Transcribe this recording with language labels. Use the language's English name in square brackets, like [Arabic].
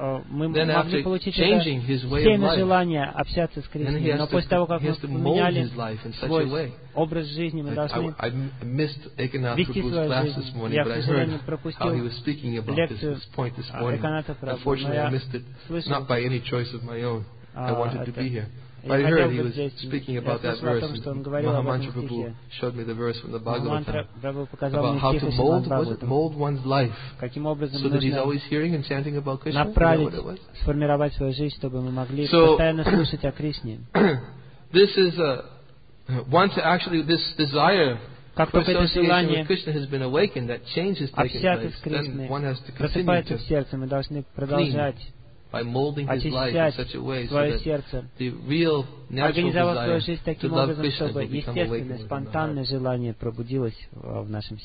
[Russian] мы могли получить семя желания общаться с Кришной, но после того, как мы поменяли свой образ жизни, мы должны вести свою жизнь. Я, к сожалению, пропустил лекцию Экканатха Прабху, но я слышал это. [English] But I heard he was speaking about that verse. Mahamantra Prabhu showed me the verse from the Bhagavatam about how to mold one's life so that he's always hearing and chanting about Krishna. [Russian] Сформировать свою жизнь, чтобы мы могли постоянно слушать о Кришне. [English] This is a one to actually this desire. [Russian] Как только это желание общаться с Кришной просыпается в сердце, мы должны продолжать [English] by molding his life in such a way so that the real natural desire to love Krishna will become awakened within the heart.